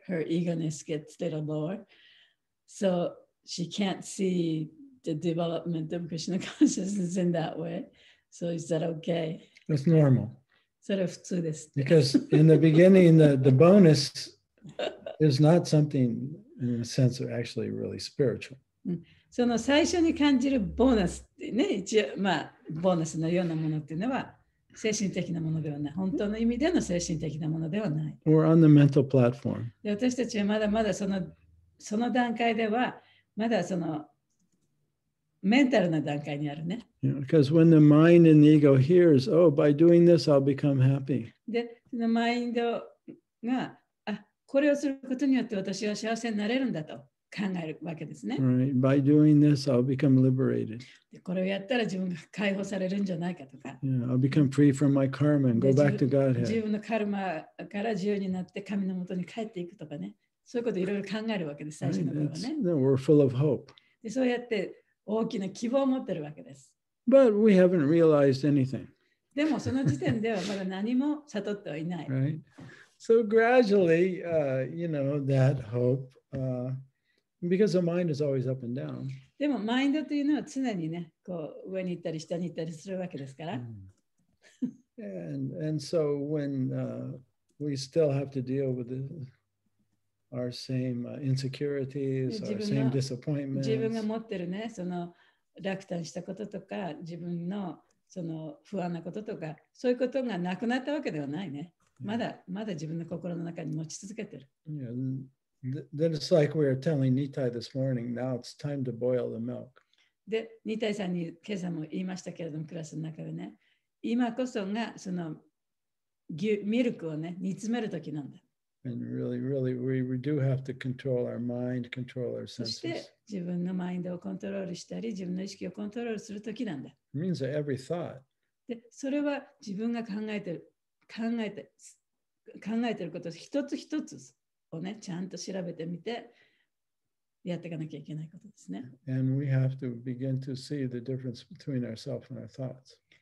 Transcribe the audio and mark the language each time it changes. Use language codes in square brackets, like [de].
[en] Her eagerness gets a little lower. So she can't see the development of Krishna consciousness in that way. So is that okay? That's normal. Sort of to this. Because in the beginning, the bonus is not something, in a sense, actually really spiritual. [ja] その最初に感じるボーナスってね、一応、まあ、ボーナスのようなものっていうのは、精神的なものではない。本当の意味での精神的なものではない。 [en] We're on the mental platform. [ja] で、私たちはまだまだその段階では、まだそのメンタルな段階にあるね。 [en] Yeah, because when the mind and the ego hears, oh, by doing this, I'll become happy. [ja] で、そのマインドが、あ、これをすることによって私は幸せになれるんだと。考えるわけですね。 [en] Right. By doing this, I'll become liberated. [ja] これをやったら自分が解放されるんじゃないかとか。 [en] Yeah, I'll become free from my karma and go back to Godhead. [ja] 自分のカルマから自由になって神の元に帰っていくとかね。そういうこといろいろ考えるわけです、最初の頃はね。 [en] Right. We're full of hope. [ja] で、そうやって大きな希望を持ってるわけです。 [en] But we haven't realized anything. [ja] でもその時点ではまだ何も悟ってはいない。 [en] Right. So gradually, that hope, Because the mind is always up and down. [ja] でもマインドというのは常にね、こう上に行ったり下に行ったりするわけですから。 [en] And so when we still have to deal with our same insecurities, our same disappointments. [ja] 自分が持ってるね、その落胆したこととか、自分のその不安なこととか、そういうことがなくなったわけではないね。まだ自分の心の中に持ち続けてる。 [en] Yeah. Then it's like we are telling Nitai this morning, now it's time to boil the milk. [ja] で、ニタイさんに今朝も言いましたけれども、クラスの中でね、今こそがそのミルクをね、煮詰める時なんだ。 [en] And really, really, we do have to control our mind, control our senses. [ja] そして自分のマインドをコントロールしたり、自分の意識をコントロールする時なんだ。 [en] It means that every thought. [ja] で、それは自分が考えてること一つ一つです。をね、ちゃんと調べてみてやっていかなきゃいけないことですね。 [en] And we have to begin to see the difference between ourselves and our thoughts.